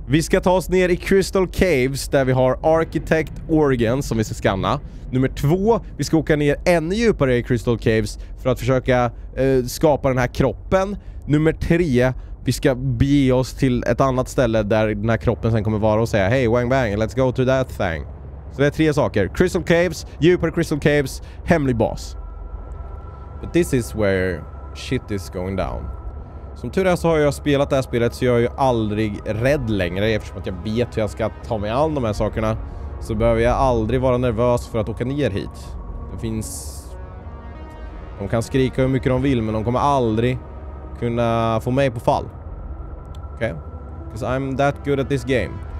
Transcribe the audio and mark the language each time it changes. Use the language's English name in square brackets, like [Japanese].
[Swedish] Vi ska ta oss ner i Crystal Caves där vi har Architect Organ som vi ska scanna. Nummer två. Vi ska åka ner ännu djupare i Crystal Caves för att försöka skapa den här kroppen. Nummer tre. Vi ska bege oss till ett annat ställe där den här kroppen sen kommer vara och säga hej, [English] wang bang, let's go to that thing. [Swedish] Så det är tre saker. Crystal Caves, djupare Crystal Caves, hemlig bas. [English] But this is where shit is going down. [Swedish] Som tur är så har jag spelat det här spelet så jag är ju aldrig rädd längre. Eftersom att jag vet hur jag ska ta mig an de här sakerna. Så behöver jag aldrig vara nervös för att åka ner hit. Det finns... De kan skrika hur mycket de vill men de kommer aldrig kunna få mig på fall. Okej? [English] Okay? Because I'm that good at this game.